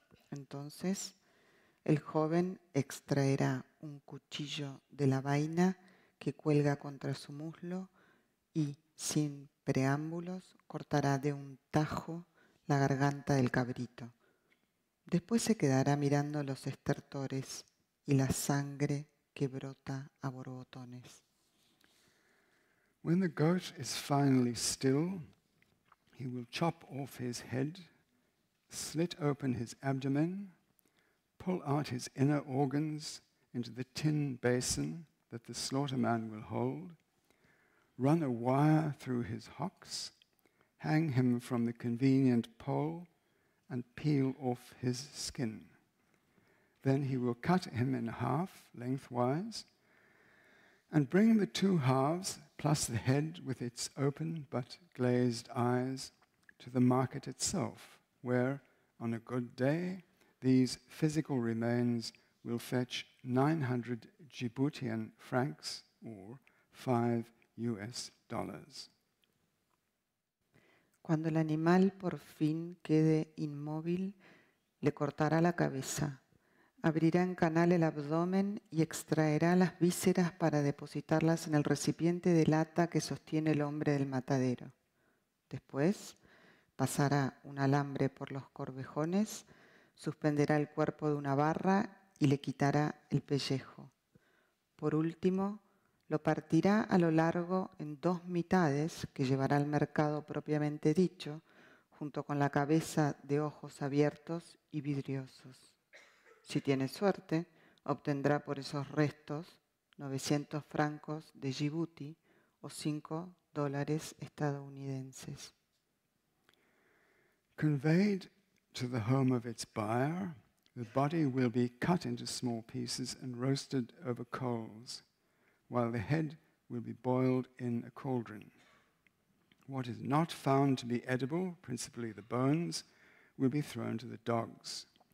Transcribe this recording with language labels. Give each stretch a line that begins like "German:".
Spanish: Entonces, el joven extraerá un cuchillo de la vaina que cuelga contra su muslo y, sin preámbulos, cortará de un tajo la garganta del cabrito. Después se quedará mirando los estertores y la sangre que brota a borbotones.
English: When the goat is finally still, he will chop off his head, slit open his abdomen, pull out his inner organs into the tin basin that the slaughter man will hold, run a wire through his hocks, hang him from the convenient pole, and peel off his skin. Then he will cut him in half lengthwise and bring the two halves plus the head with its open but glazed eyes to the market itself, where on a good day, these physical remains will fetch 900 Djiboutian francs, or $5.
Spanish: Cuando el animal por fin quede inmóvil, le cortará la cabeza, abrirá en canal el abdomen y extraerá las vísceras para depositarlas en el recipiente de lata que sostiene el hombre del matadero. Después, pasará un alambre por los corvejones, suspenderá el cuerpo de una barra y le quitará el pellejo. Por último, lo partirá a lo largo en dos mitades que llevará al mercado propiamente dicho, junto con la cabeza de ojos abiertos y vidriosos. Si tiene suerte, obtendrá por esos restos 900 francos de Djibouti o 5 dólares estadounidenses.
English: Conveyed to the home of its buyer, the body will be cut into small pieces and roasted over coals, while the head will be boiled in a cauldron. What is not found to be edible, principally the bones, will be thrown to the dogs.